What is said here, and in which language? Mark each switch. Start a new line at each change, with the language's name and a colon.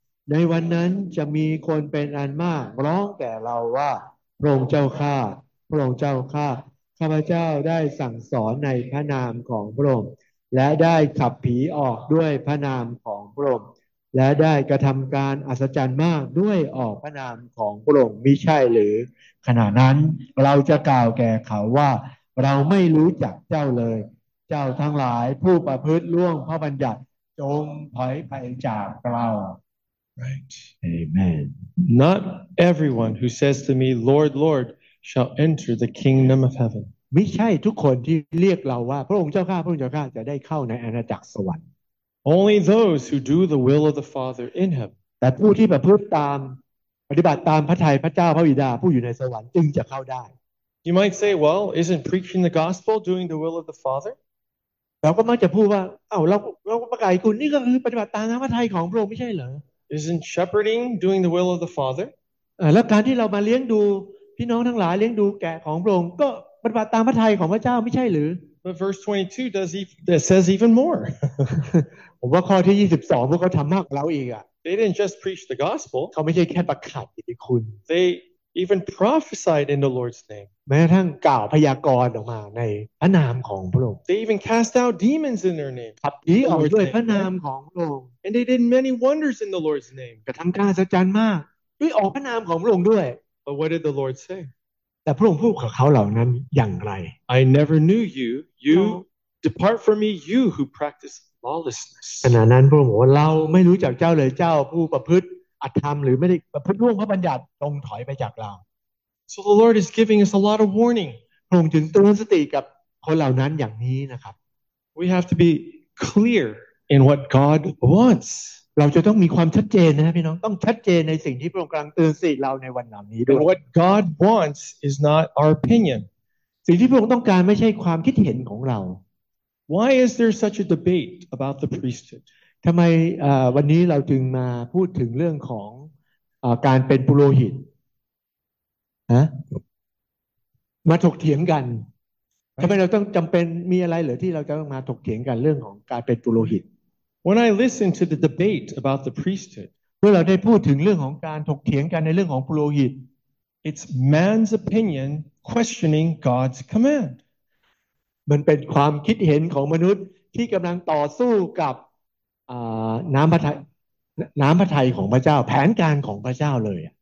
Thai: ในวันนั้นจะมีคนเป็นอันมากร้องแก่เราว่าพระองค์เจ้าข้าพระองค์เจ้าข้าข้าพเจ้าได้สั่งสอนในพระนามของพระองค์และได้ขับผีออกด้วยพระนามของพระองค์และได้กระทำการอัศจรรย์มากด้วยออกพระนามของพระองค์มิใช่หรือขณะนั้นเราจะกล่าวแก่เขาว่าเราไม่รู้จักเจ้าเลยเจ้าทั้งหลายผู้ประพฤติล่วงพระบัญญัติจงถอยไปจากเรา
English: Right Amen Not everyone who says to me Lord Lord shall enter the kingdom of heaven
Thai: ไม่ใช่ทุกคนที่เรียกเราว่าพระองค์เจ้าข้าพระองค์เจ้าข้าจะได้เข้าในอาณาจักรสวรรค์
English: Only those who do the will of the Father in heaven
Thai: แต่ผู้ที่ประพฤติตามปฏิบัติตามพระทัยพระเจ้าพระบิดาผู้อยู่ในสวรรค์จึงจะเข้าได้
English: You might say well isn't preaching the gospel doing the will of the Father
Thai: เราก็มักจะพูดว่าอ้าวเราประกาศคุณนี่ก็คือปฏิบัติตามพระทัยของพระองค์ไม่ใช่เหรอ
English: Isn't shepherding doing the will of the Father
Thai: แล้วการที่เรามาเลี้ยงดูพี่น้องทั้งหลายเลี้ยงดูแกะของพระองค์ก็ปฏิบัติตามพระทัยของพระเจ้าไม่ใช่หรือ
English: But verse 22 does even says even more
Thai: ผมว่าข้อที่22พวกเขาทำมากกว่าเราอีกอ่ะ
English: They didn't just preach the gospel
Thai: เขาไม่ใช่แค่ประกาศอิทธิคุณ
English: They even prophesied in the Lord's name
Thai: แม้ทั้งกล่าวพยากรณ์ออกมาในพระนามของพระองค์
English: They even cast out demons in their name
Thai: ขับผีออกด้วยพระนามของพระองค์
English: And they did many wonders in the Lord's name
Thai: กระทำการอัศจรรย์มากด้วยออกพระนามของพระองค์ด้วย
English: But what did the Lord say?
Thai: แต่พระองค์พูดกับเขาเหล่านั้นอย่างไร
English: I never knew you. You depart from me, you who practice lawlessness.
Thai: ขณะนั้นพระองค์บอกว่าเราไม่รู้จักเจ้าเลยเจ้าผู้ประพฤติอธรรมหรือไม่ได้ประพฤติล่วงพระบัญญัติจงถอยไปจากเรา
English: So the Lord is giving us a lot of warning.
Thai: พระองค์จึงเตือนสติกับคนเหล่านั้นอย่างนี้นะครับ
English: We have to be clear in what God wants.
Thai: เราจะต้องมีความชัดเจนนะพี่น้องต้องชัดเจนในสิ่งที่พระองค์กำลังเตือนสิเราในวันเหล่านี้ด้วย
English: What God wants is not our opinion.
Thai: สิ่งที่พระองค์ต้องการไม่ใช่ความคิดเห็นของเรา
English: Why is there such a debate about the priesthood?
Thai: ทำไมวันนี้เราจึงมาพูดถึงเรื่องของการเป็นปุโรหิตฮะมาถกเถียงกันทำไมเราต้องจำเป็นมีอะไรเหรอที่เราจะต้องมาถกเถียงกันเรื่องของการเป็นปุโรหิต
English: When I listen to the debate about the priesthood
Thai: เมื่อเราได้พูดถึงเรื่องของการถกเถียงกันในเรื่องของปุโรหิต
English: It's man's opinion questioning God's command
Thai: มันเป็นความคิดเห็นของมนุษย์ที่กำลังต่อสู้กับน้ำพระทัยของพระเจ้าแผนการของพระเจ้าเลย